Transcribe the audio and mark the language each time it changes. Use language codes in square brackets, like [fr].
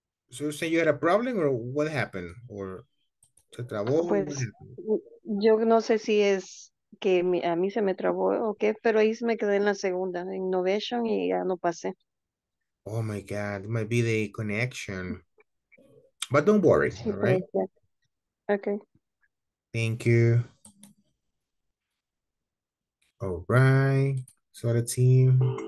[en] So you say you had a problem, or what happened? [es] Or se trabó? Pues, yo no sé si es... que a mí se me trabó o okay, qué, pero ahí me quedé en la segunda, innovation, y ya no pasé. [en] Oh my God, it might be the connection. But don't worry, all right? Okay. Thank you. All right, so the team.